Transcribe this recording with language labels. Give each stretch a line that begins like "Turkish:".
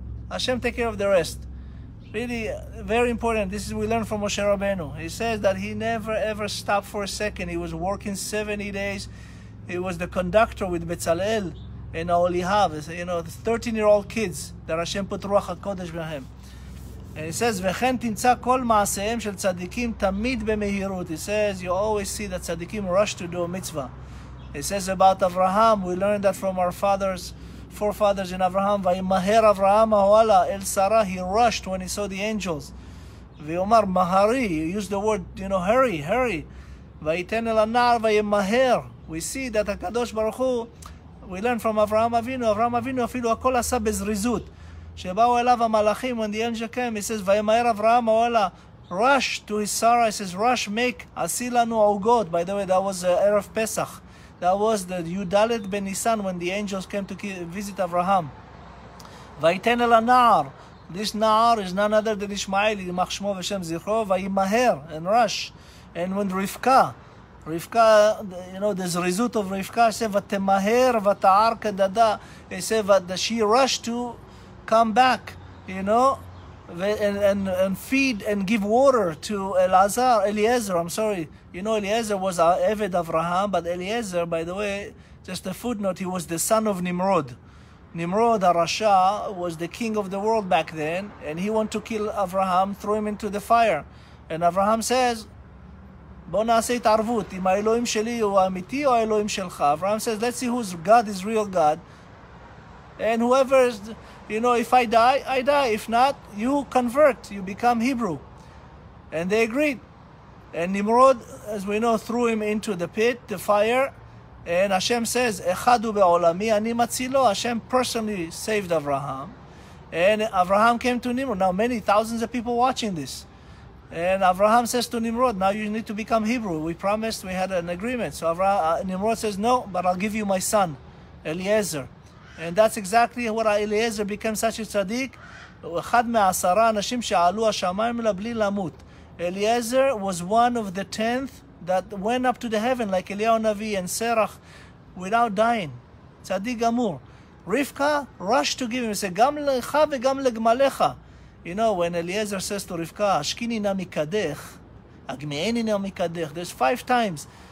English: Hashem take care of the rest. Really, very important. This is what we learned from Moshe Rabbeinu. He says that he never, ever stopped for a second. He was working 70 days. He was the conductor with Bezalel and Aholihav, you know, the 13-year-old kids that Hashem put Ruach HaKodesh behem. And it says,
Hebrew: וכן תמצא כל מעשיהם של צדיקים תמיד במהירות.
English: It says, you always see that צדיקים rush to do a mitzvah. It says about Abraham, we learned that from our fathers, forefathers in Abraham,
Hebrew: וימהר אברהם אוהלה אל שרה,
English: he rushed when he saw the angels.
Hebrew: ויאמר, מהרי,
English: you use the word, you know, hurry, hurry.
Hebrew: ויתן אל הנער וימהר.
English: We see that הקדוש ברוך הוא We learn from Avraham Avinu. Avraham Avinu
Hebrew: אפילו הכל עשה בזריזות. שבאו אליו המלאכים,
English: when the angel came, he says,
Hebrew: וימהר אברהם אוהלה,
English: rush to his Sarah. He says, rush, make,
Hebrew: עשי לנו עוגות.
English: By the way, that was ערב פסח. That was the יודלת בניסן, when the angels came to visit Avraham.
Hebrew: ויתן אל הנער. This נער
English: is none other than Ishmael,
Hebrew: ימח שמו ושם זכרו, וימהר,
English: and rush. And when רבקה, רבקה, you know, the זריזות of רבקה, he said,
Hebrew: ותמהר ותער כדדה.
English: He said, she rushed to come back, you know, and feed and give water to Eliezer, I'm sorry. You know, Eliezer was Eved Avraham, but Eliezer, by the way, just a footnote, he was the son of Nimrod. Nimrod, Arasha, was the king of the world back then, and he wanted to kill Avraham, throw him into the fire.
Hebrew: And Avraham says, בוא נעשה התערבות, אם האלוהים שלי הוא האמיתי או האלוהים שלך.
English: Avraham says, let's see whose God is real God. And whoever is... You know, if I die, I die. If not, you convert. You become Hebrew. And they agreed. And Nimrod, as we know, threw him into the pit, the fire. And Hashem says,
Hebrew: "Echadu be'olami, ani matzilo."
English: Hashem personally saved Avraham. And Avraham came to Nimrod. Now many thousands of people watching this. And Avraham says to Nimrod, now you need to become Hebrew. We promised, we had an agreement. So Nimrod says, no, but I'll give you my son, Eliezer. And that's exactly what Eliezer became such a tzaddik.
Hebrew: אחד מעשרה אנשים שעלו השמיים לבלי למות.
English: Eliezer was one of the 10th that went up to the heaven, like Eliyahu Navi and Serach, without dying. Tzaddik gamur. Rivka rushed to give him. He said,
Hebrew: גם לך וגם לגמליך.
English: You know, when Eliezer says to Rivka,
Hebrew: השקיני נא מקדך, הגמייני נא מקדך.
English: There's 5 times.